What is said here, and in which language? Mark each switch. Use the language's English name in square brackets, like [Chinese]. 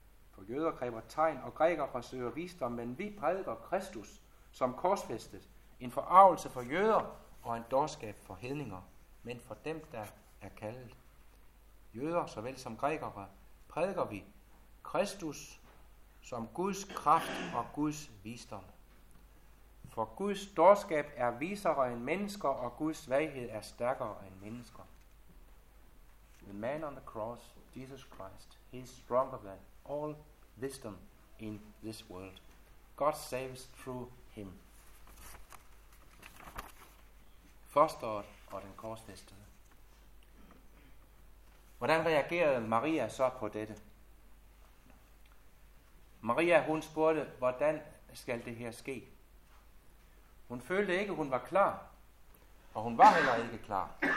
[Danish] For jøder kræver tegn, og grækere forsøger visdom, men vi prædiker Kristus som korsfæstet, en forargelse for jøder og en dårskab for hedninger, men for dem, der er kaldet. Jøder, såvel som grækere, prædiker vi Kristus som Guds kraft og Guds visdom. For Guds dårskab er visere end mennesker, og Guds svaghed er stærkere end mennesker. [English] The man on the cross, Jesus Christ, he is stronger than all wisdom in this world. God saves through him. [Danish] Fosteret og den korsfæstede. Hvordan reagerede Maria så på dette? Maria, hun spurgte, hvordan skal det her ske? Hun følte ikke, hun var klar, og hun var heller ikke klar.